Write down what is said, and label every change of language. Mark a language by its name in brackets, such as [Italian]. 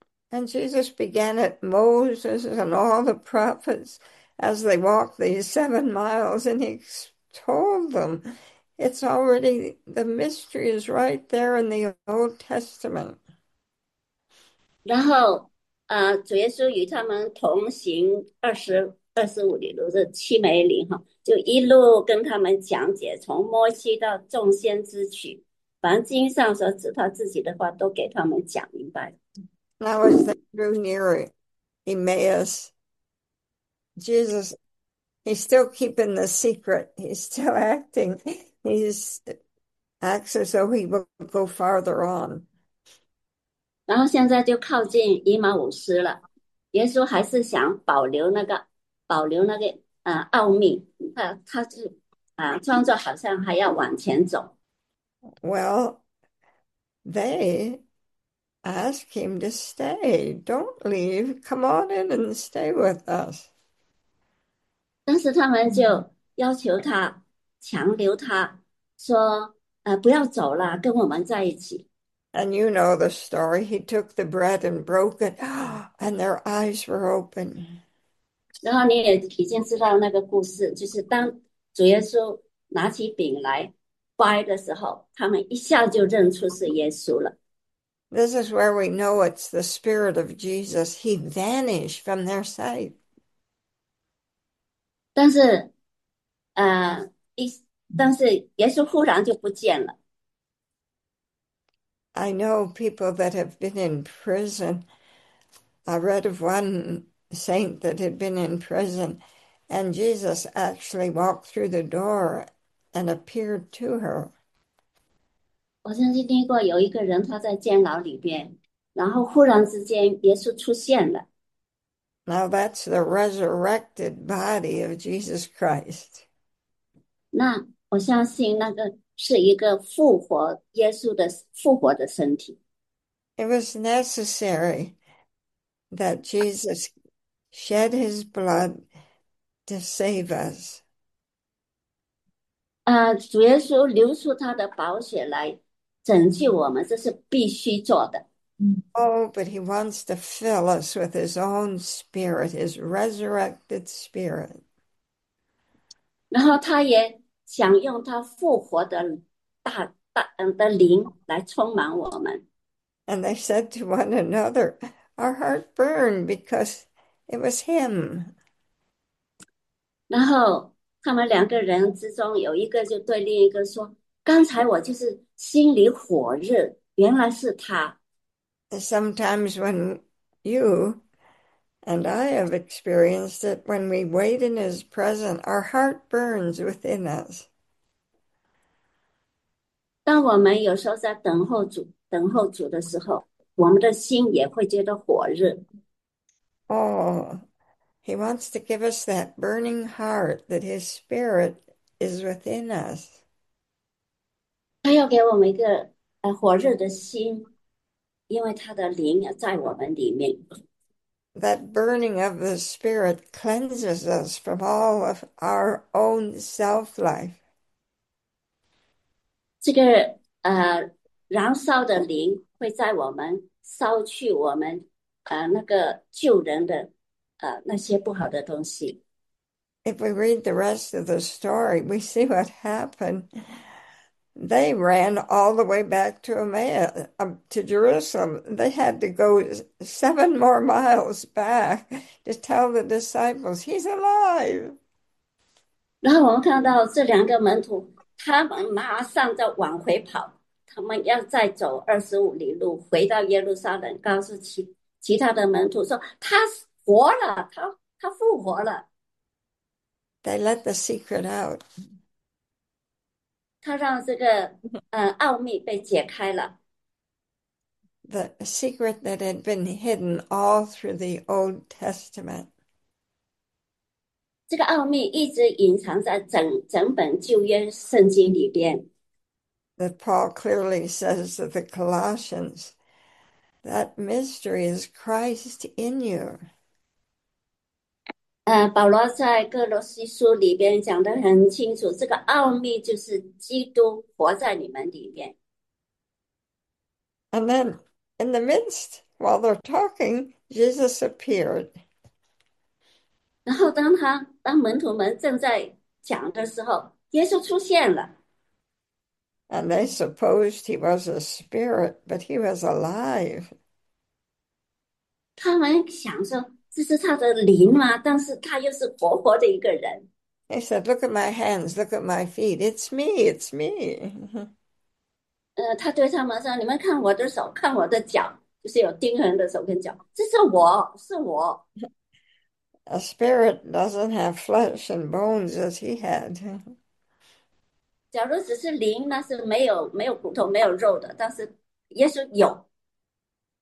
[English] And Jesus began at Moses and all the prophets as they walked these 7 miles, and he told them, it's already, the mystery is right there in the Old Testament. [Chinese] 然后，主耶稣与他们同行25里路，这7美里哈，就一路跟他们讲解，从摩西到众先知去，凡经上所指他自己的话，都给他们讲明白。 [English] Now, as they drew near Emmaus, Jesus, he's still keeping the secret. He's still acting. He's acts as though he will go farther on. [Chinese] 然后现在就靠近以马忤斯了，耶稣还是想保留那个奥秘，他是装作好像还要往前走。 [English] Well, they ask him to stay. Don't leave. Come on in and stay with us. [Chinese] 但是他们就要求他强留他，说不要走了，跟我们在一起。 [English] And you know the story. He took the bread and broke it, and their eyes were open. [Chinese] 然后你也已经知道那个故事，就是当主耶稣拿起饼来掰的时候，他们一下就认出是耶稣了。 [English] This is where we know it's the spirit of Jesus. He vanished from their sight. [Chinese] 但是，但是耶稣忽然就不见了。 [English] I know people that have been in prison. I read of one saint that had been in prison, and Jesus actually walked through the door and appeared to her. [Chinese] 我曾经听过有一个人，他在监牢里边，然后忽然之间，耶稣出现了。 [English] Now that's the resurrected body of Jesus Christ. [Chinese] 那我相信那个是一个复活耶稣的复活的身体。 [English] It was necessary that Jesus shed his blood to save us. [Chinese] 主耶稣流出他的宝血来。拯救我们，这是必须做的。 [English] Oh, but he wants to fill us with his own spirit, his resurrected spirit. [Chinese] 然后他也想用他复活的大的灵来充满我们。 [English] And they said to one another, our heart burned because it was him. [Chinese] 然后他们两个人之中，有一个就对另一个说。刚才我就是心里火热，原来是他。 [English] Sometimes when you and I have experienced it, when we wait in his presence, our heart burns within us. [Chinese] 当我们有时候在等候主的时候，我们的心也会觉得火热。 [English] Oh, he wants to give us that burning heart that his spirit is within us. [Chinese] 要给我们一个火热的心，因为他的灵要在我们里面。 [English] That burning of the spirit cleanses us from all of our own self-life. [Chinese] 这个燃烧的灵会在我们烧去我们那个旧人的那些不好的东西。 [English] If we read the rest of the story, we see what happened. They ran all the way back to Emmaus, to Jerusalem. They had to go 7 more miles back to tell the disciples, he's alive. [Chinese] 然后我们看到这两个门徒，他们马上在往回跑，他们要再走25里路回到耶路撒冷，告诉其他的门徒说他活了，他复活了。 [English] They let the secret out. [Chinese] 他让这个奥秘被解开了。 [English] The secret that had been hidden all through the Old Testament. [Chinese] 这个奥秘一直隐藏在整本旧约圣经里边。 [English] That Paul clearly says to the Colossians, that mystery is Christ in you. [Chinese] 保罗在哥罗西书里边讲得很清楚，这个奥秘就是基督活在你们里面。 [English] And then, in the midst, while they're talking, Jesus appeared. [Chinese] 然后当门徒们正在讲的时候，耶稣出现了。 [English] And they supposed he was a spirit, but he was alive. [Chinese] 他们想说，这是他的灵吗？但是他又是活活的一个人。 [English] He said, "Look at my hands, look at my feet. It's me, it's me." [Chinese] 他对他们说：“你们看我的手，看我的脚，就是有钉痕的手跟脚，这是我，是我。 [English] A spirit doesn't have flesh and bones as he had. [Chinese] 假如只是灵，那是没有骨头、没有肉的，但是耶稣有。”